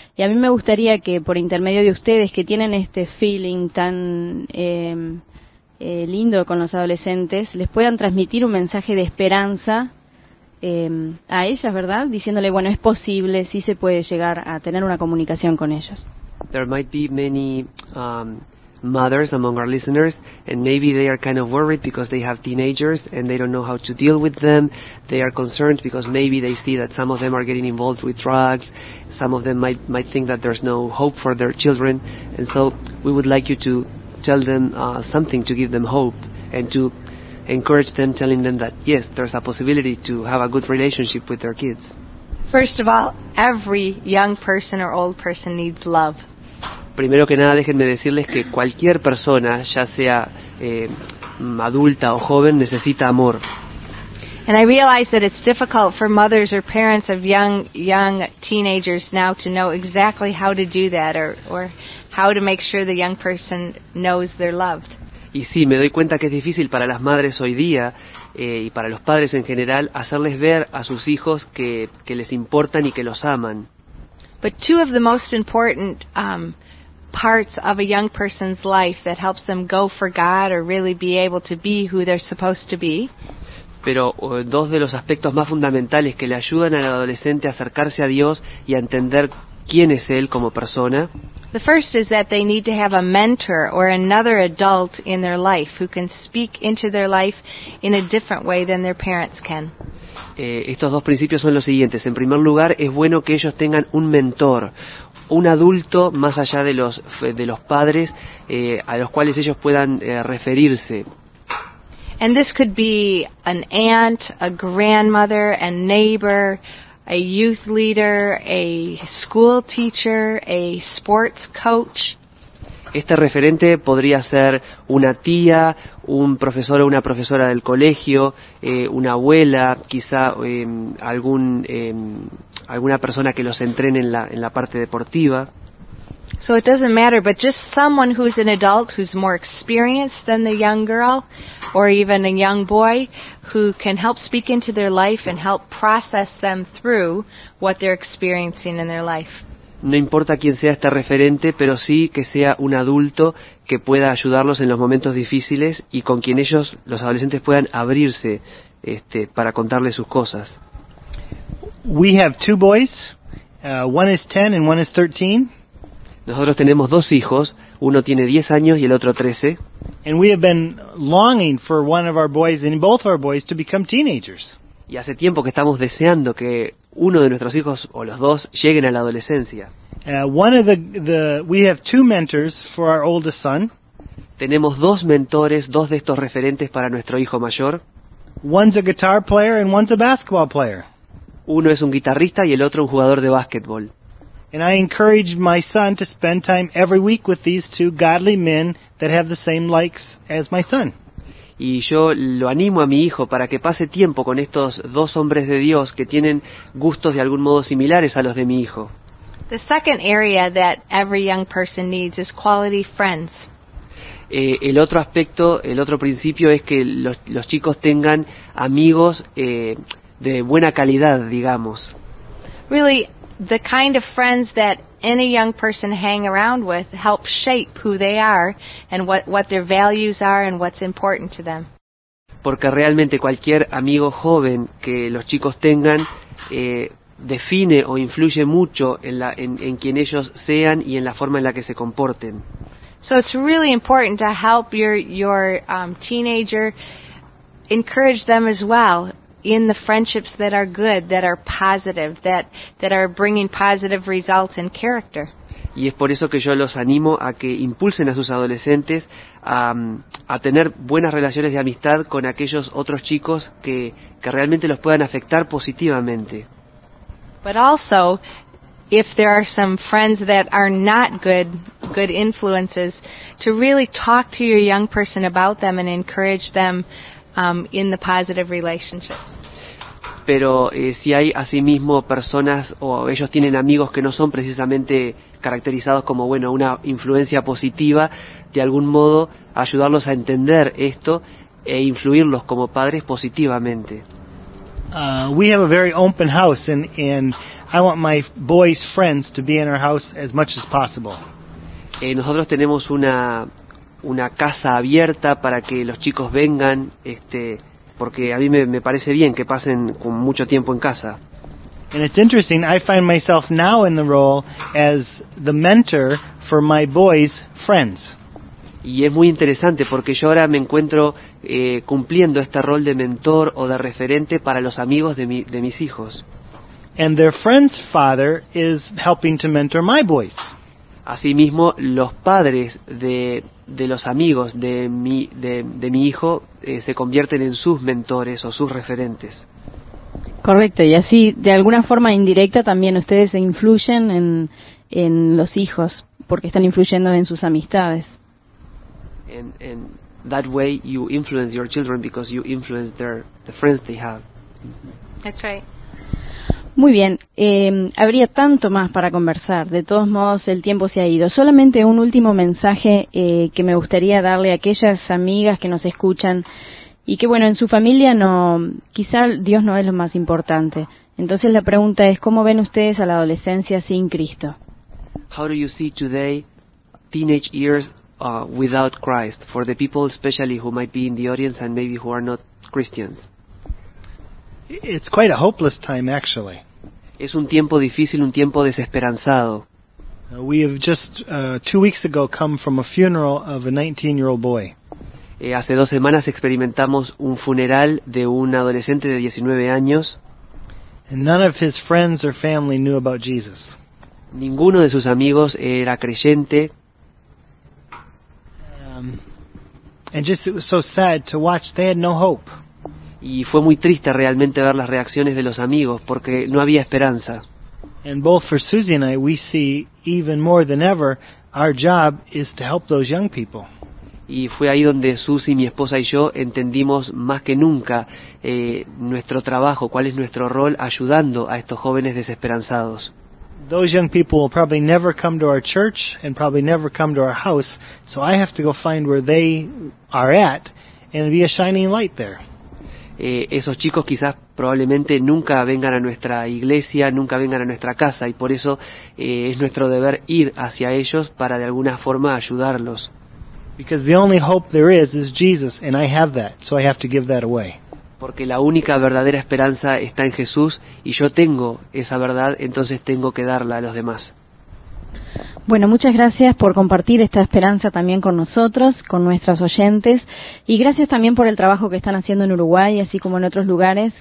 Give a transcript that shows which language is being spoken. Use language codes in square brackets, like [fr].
[es] Y a mí me gustaría que por intermedio de ustedes que tienen este feeling tan lindo con los adolescentes, les puedan transmitir un mensaje de esperanza a ellas, ¿verdad? Diciéndole, bueno, es posible, sí se puede llegar a tener una comunicación con ellos. [en] There might be many... mothers among our listeners, and maybe they are kind of worried because they have teenagers and they don't know how to deal with them. They are concerned because maybe they see that some of them are getting involved with drugs. Some of them might think that there's no hope for their children. And so we would like you to tell them something to give them hope and to encourage them, telling them that, yes, there's a possibility to have a good relationship with their kids. First of all, every young person or old person needs love. [es] Primero que nada, déjenme decirles que cualquier persona, ya sea adulta o joven, necesita amor. [en] And I realize that it's difficult for mothers or parents of young teenagers now to know exactly how to do that or how to make sure the young person knows they're loved. [es] Y sí, me doy cuenta que es difícil para las madres hoy día y para los padres en general hacerles ver a sus hijos que les importan y que los aman. [en] But two of the most important parts of a young person's life that helps them go for God or really be able to be who they're supposed to be. [es] Pero dos de los aspectos más fundamentales que le ayudan al adolescente a acercarse a Dios y a entender quién es él como persona. [en] The first is that they need to have a mentor or another adult in their life who can speak into their life in a different way than their parents can. [es] Estos dos principios son los siguientes. En primer lugar, es bueno que ellos tengan un mentor, un adulto más allá de los padres a los cuales ellos puedan referirse. [en] And this could be an aunt, a grandmother, a neighbor, a youth leader, a school teacher, a sports coach. [es] Este referente podría ser una tía, un profesor o una profesora del colegio, una abuela, quizá alguna persona que los entrene en la parte deportiva. [en] So it doesn't matter, but just someone who's an adult who's more experienced than the young girl or even a young boy who can help speak into their life and help process them through what they're experiencing in their life. [es] No importa quién sea este referente, pero sí que sea un adulto que pueda ayudarlos en los momentos difíciles y con quien ellos, los adolescentes, puedan abrirse para contarles sus cosas. [en] We have two boys. One is 10 and one is 13. [es] Nosotros tenemos dos hijos, uno tiene 10 años y el otro 13. [en] And we have been longing for one of our boys and both of our boys to become teenagers. [es] Y hace tiempo que estamos deseando que uno de nuestros hijos o los dos lleguen a la adolescencia. [en] We have two mentors for our oldest son. [es] Tenemos dos mentores, dos de estos referentes para nuestro hijo mayor. [en] One's a guitar player and one's a basketball player. [es] Uno es un guitarrista y el otro un jugador de básquetbol. [en] And I encourage my son to spend time every week with these two godly men that have the same likes as my son. [es] Y yo lo animo a mi hijo para que pase tiempo con estos dos hombres de Dios que tienen gustos de algún modo similares a los de mi hijo. [en] The second area that every young person needs is quality friends. [es] El otro aspecto, el otro principio es que los chicos tengan amigos de buena calidad, digamos. [en] Really, the kind of friends that any young person hang around with help shape who they are and what their values are and what's important to them. [es] Porque realmente cualquier amigo joven que los chicos tengan define o influye mucho en quien ellos sean y en la forma en la que se comporten. [en] So it's really important to help your teenager encourage them as well in the friendships that are good, that are positive, that are bringing positive results and character. [es] Y es por eso que yo los animo a que impulsen a sus adolescentes a tener buenas relaciones de amistad con aquellos otros chicos que realmente los puedan afectar positivamente. [en] But also, if there are some friends that are not good influences, to really talk to your young person about them and encourage them in the positive relationships. [es] Pero si hay asimismo personas o ellos tienen amigos que no son precisamente caracterizados como una influencia positiva, de algún modo ayudarlos a entender esto e influirlos como padres positivamente. [en] We have a very open house and I want my boys' friends to be in our house as much as possible. [es] Nosotros tenemos una casa abierta para que los chicos vengan, porque a mí me parece bien que pasen con mucho tiempo en casa. [en] And it's interesting, I find myself now in the role as the mentor for my boys' friends. [es] Y es muy interesante porque yo ahora me encuentro cumpliendo este rol de mentor o de referente para los amigos de mis hijos. [en] And their friend's father is helping to mentor my boys. [es] Asimismo, los padres de los amigos de mi hijo se convierten en sus mentores o sus referentes. Correcto, y así de alguna forma indirecta también ustedes se influyen en los hijos, porque están influyendo en sus amistades. [en] In that way you influence your children because you influence their the friends they have. That's right. [es] Muy bien, habría tanto más para conversar, de todos modos el tiempo se ha ido. Solamente un último mensaje que me gustaría darle a aquellas amigas que nos escuchan y que bueno, en su familia no, quizá Dios no es lo más importante. Entonces la pregunta es, ¿cómo ven ustedes a la adolescencia sin Cristo? [en] How do you see today teenage years without Christ for the people especially who might be in the audience and maybe who are not Christians? It's quite a hopeless time, actually. [es] Es un tiempo difícil, un tiempo desesperanzado. [en] We have just 2 weeks ago come from a funeral of a 19-year-old boy. [es] Hace dos semanas experimentamos un funeral de un adolescente de 19 años. [en] And none of his friends or family knew about Jesus. [es] Ninguno de sus amigos era creyente. [en] And just it was so sad to watch. They had no hope. [es] Y fue muy triste realmente ver las reacciones de los amigos porque no había esperanza. [en] And both for Susie and I, we see even more than ever, our job is to help those young people. [es] Y fue ahí donde Susie, mi esposa y yo entendimos más que nunca nuestro trabajo, cuál es nuestro rol ayudando a estos jóvenes desesperanzados. [en] Those young people will probably never come to our church and probably never come to our house, so I have to go find where they are at and be a shining light there. [es] Esos chicos quizás probablemente nunca vengan a nuestra iglesia, nunca vengan a nuestra casa, y por eso es nuestro deber ir hacia ellos para de alguna forma ayudarlos. [en] Because the only hope there is Jesus, and I have that, so I have to give that away. [es] Porque la única verdadera esperanza está en Jesús, y yo tengo esa verdad, entonces tengo que darla a los demás. Bueno, muchas gracias por compartir esta esperanza también con nosotros, con nuestros oyentes, y gracias también por el trabajo que están haciendo en Uruguay, así como en otros lugares.